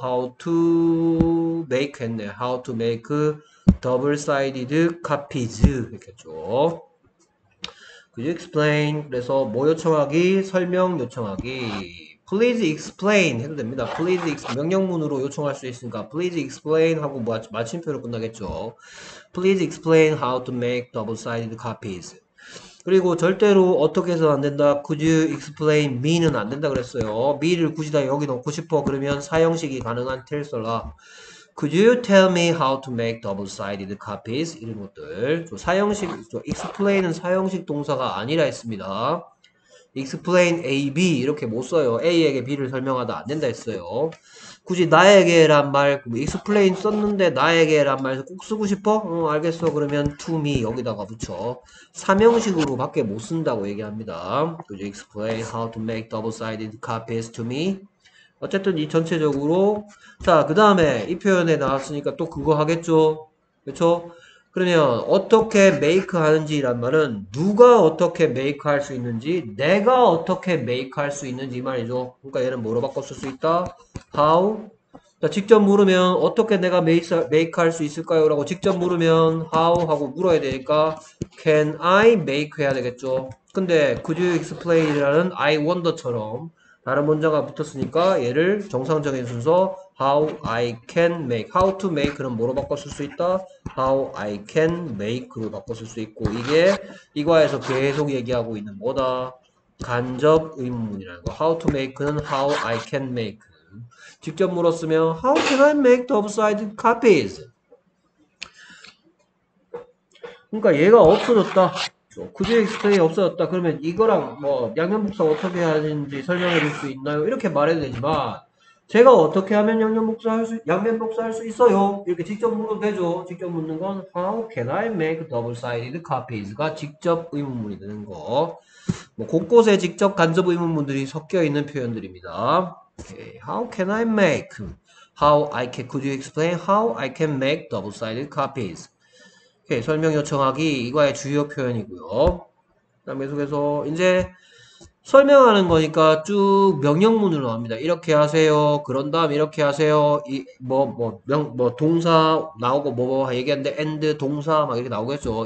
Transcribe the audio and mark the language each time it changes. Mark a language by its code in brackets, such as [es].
[en] how to make [ko] 했네. [en] how to make Double sided copies. [ko] 이렇겠죠. [en] Could you explain? [ko] 그래서, 뭐 요청하기? 설명 요청하기. [en] Please explain. [ko] 해도 됩니다. [en] Please explain. [ko] 명령문으로 요청할 수 있으니까. [en] Please explain. [ko] 하고, 마침표로 끝나겠죠. [en] Please explain how to make double sided copies. [ko] 그리고, 절대로, 어떻게 해서 안 된다. [en] Could you explain me [ko] 는 안 된다 그랬어요. me를 굳이 다 여기 놓고 싶어. 그러면 사용식이 가능한 텔슬라. [en] Could you tell me how to make double-sided copies? [ko] 이런 것들. 사용식, explain은 사용식 동사가 아니라 했습니다. explain A, B. 이렇게 못 써요. A에게 B를 설명하다 안 된다 했어요. 굳이 나에게란 말, explain 썼는데 나에게란 말꼭 쓰고 싶어? 알겠어. 그러면 to me 여기다가 붙여. 삼형식으로밖에 못 쓴다고 얘기합니다. [en] Could you explain how to make double-sided copies to me? [ko] 어쨌든 이 전체적으로 자, 그다음에 이 표현에 나왔으니까 또 그거 하겠죠. 그렇죠? 그러면 어떻게 메이크 하는지란 말은 누가 어떻게 메이크 할수 있는지, 내가 어떻게 메이크 할수 있는지 말이죠. 그러니까 얘는 뭐로 바꿔 쓸수 있다? How? 자, 직접 물으면 어떻게 내가 메이크 할수 있을까요라고 직접 물으면 how 하고 물어야 되니까 [en] can I make [ko] 해야 되겠죠. 근데 could you explain이라는 I wonder처럼 다른 문장이 붙었으니까 얘를 정상적인 순서 [en] how I can make, how to make [ko] 는 뭐로 바꿔 쓸수 있다? [en] how I can make [ko] 로 바꿔 쓸수 있고 이게 이 과에서 계속 얘기하고 있는 뭐다? 간접 의문이라는 거. [en] how to make는 how I can make. [ko] 직접 물었으면 [en] how can I make double-sided copies? [ko] 그러니까 얘가 없어졌다. 굳이 explain이 없어졌다. 그러면 이거랑 뭐 양면 복사 어떻게 하는지 설명해 줄수 있나요? 이렇게 말해도 되지만 제가 어떻게 하면 양면 복사할 수 있어요? 이렇게 직접 물어도 되죠. 직접 묻는 건 [en] How can I make double-sided copies? [ko] 가 직접 의문문이 되는 거. 뭐 곳곳에 직접 간접 의문문들이 섞여 있는 표현들입니다. [en] Okay. How can I make? How I can? Could you explain how I can make double-sided copies? [ko] 오케이, 설명 요청하기 이거의 주요 표현이고요. 그다음에 계속해서 이제 설명하는 거니까 쭉 명령문으로 합니다. 이렇게 하세요. 그런 다음 이렇게 하세요. 이뭐뭐명뭐 동사 나오고 뭐뭐 얘기하는데 and 동사 막 이렇게 나오겠죠.